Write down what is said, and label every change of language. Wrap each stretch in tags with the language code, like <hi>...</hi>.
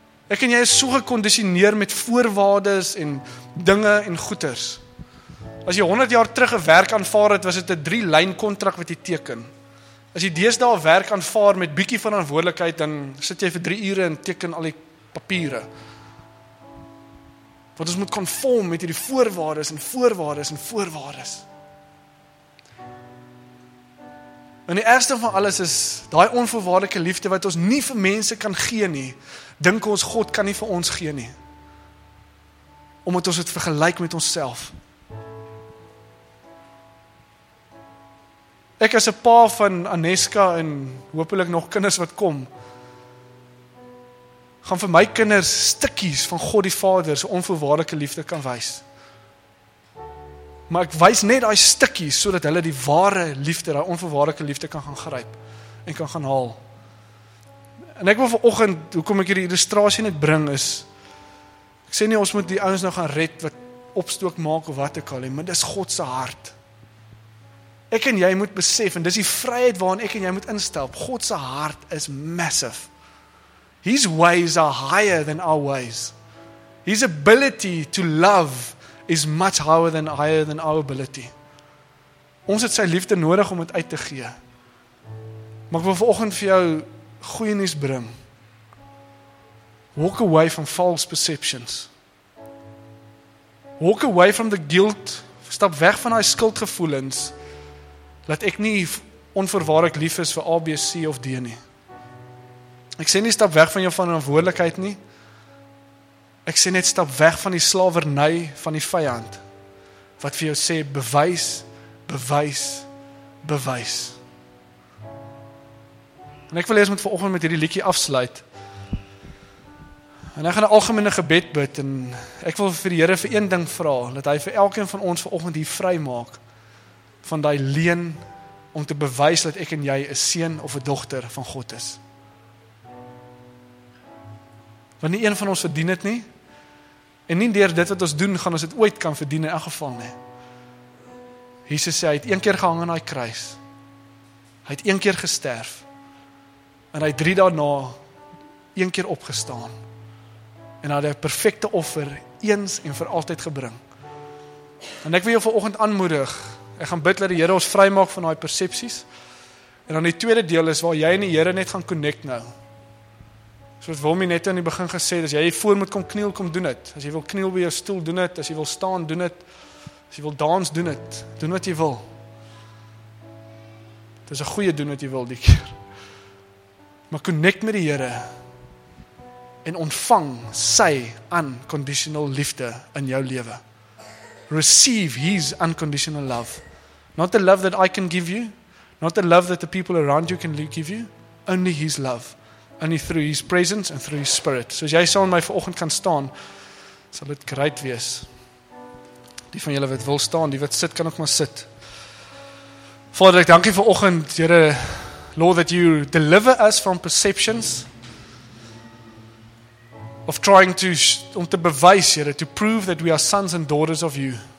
<af>Ek en jy is so gekondisioneer met voorwaardes en dinge en goeders. As jy 100 jaar terug 'n werk aanvaar het, was dit 'n 3-lyn kontrak wat jy teken. As jy deesdae werk aanvaar met bietjie verantwoordelikheid, dan sit jy vir 3 ure en teken al die papiere. Want ons moet konform met hierdie voorwaardes en voorwaardes en voorwaardes. En die ergste van alles is daai onvoorwaardelike liefde wat ons nie vir mense kan gee nie. Dink ons God kan nie vir ons gee nie. Omdat ons dit vergelyk met onsself. Ek as 'n pa van Aneska en hopelik nog kinders wat kom, gaan vir my kinders stukkies van God die Vader se onvoorwaardelike liefde kan wys. Maar ek wys net daai stukkies sodat hulle die ware liefde, daai onvoorwaardelike liefde kan gaan gryp en kan gaan haal. En ek wil vanoggend, hoekom ek hierdie illustrasie net bring is, ek sê nie, ons moet die ouens nou gaan red, wat opstook maak of wat ek al, maar dis God se hart. Ek en jy moet besef, en dis die vryheid waarin ek en jy moet instap, God se hart is massive.</af> <en>His ways are higher than our ways. His ability to love is much higher than our ability.</en> <af>Ons het sy liefde nodig om dit uit te gee. Maar ek wil vanoggend vir jou goeie nuus bring.</af> <en>Walk away from false perceptions. Walk away from the guilt.</en> <af>Stap weg van daai skuldgevoelens. Dat ek nie onvoorwaardelik lief is vir A, B, C of D nie. Ek sê nie stap weg van jou verantwoordelikheid nie. Ek sê net stap weg van die slavernij van die vijand. Wat vir jou sê, bewys, bewys, bewys. En ek wil eers met vanoggend met hierdie liedjie afsluit. En ek gaan 'n algemene gebed bid. En ek wil vir die Here vir een ding vra. Dat hy vir elkeen van ons vanoggend hier vry maak. Van die leen om te bewys dat ek en jy 'n seun of 'n dogter van God is. Want nie een van ons verdien het nie. En nie deur dit wat ons doen, gaan ons het ooit kan verdien in elk geval nie. Jesus sê, hy het een keer gehang aan die kruis. Hy het een keer gesterf. En hy het 3 daarna een keer opgestaan. En hy het 'n perfekte offer eens en vir altyd gebring. En ek wil jou vanoggend aanmoedig. Ek gaan bid dat die Here ons vrymaak van daai persepsies. En dan die tweede deel is waar jy en die Here net gaan connect nou. Soos Wilmy net in die begin gesê, as jy voor moet kom kniel, kom doen het. As jy wil kniel by jou stoel, doen het. As jy wil staan, doen het. As jy wil dans, doen het. Doen wat jy wil. Dit is 'n goeie doen wat jy wil die keer. Maar connect met die Here en ontvang sy unconditional liefde in jou lewe.</af> <en>Receive his unconditional love. Not the love that I can give you. Not the love that the people around you can give you. Only his love. Only through his presence and through his spirit.</en> <af>So as jy saam met my vanoggend kan staan, sal dit great wees. Die van julle wat wil staan, die wat sit, kan ook maar sit. Vader, ek dank u vanoggend, Here,</af> <en>Lord, that you deliver us from perceptions of trying to,</en> <af>om te bewys, Here,</af> <en>to prove that we are sons and daughters of you.</en>